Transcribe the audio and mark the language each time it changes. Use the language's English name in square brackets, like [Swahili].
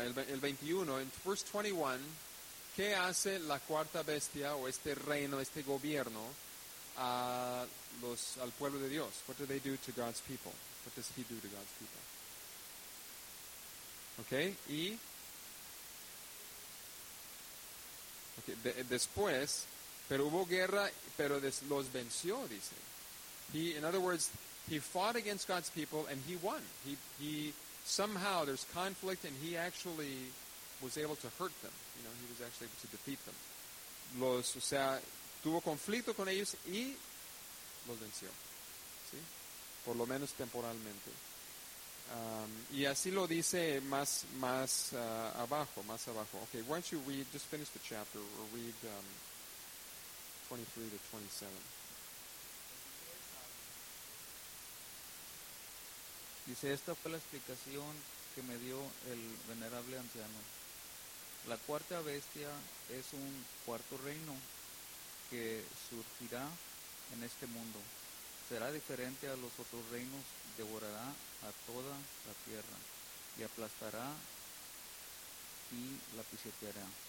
[Spanish] En verse 21, ¿qué hace la cuarta bestia o este reino, este gobierno al pueblo de Dios? [English] What do they do to God's people? What does he do to God's people? [Spanish] Okay, y okay, después, pero hubo guerra, pero los venció, dice. [English] In other words, he fought against God's people and he won. He somehow, there's conflict and he actually was able to hurt them. You know, he was actually able to defeat them. [Spanish] O sea, tuvo conflicto con ellos y los venció. ¿Sí? Por lo menos temporalmente. Y así lo dice más abajo. [English] Okay, why don't you read, just finish the chapter, or read 23 to 27. [Spanish] Dice, esta fue la explicación que me dio el venerable anciano. La cuarta bestia es un cuarto reino que surgirá en este mundo. Será diferente a los otros reinos, devorará a toda la tierra y aplastará y la pisoteará.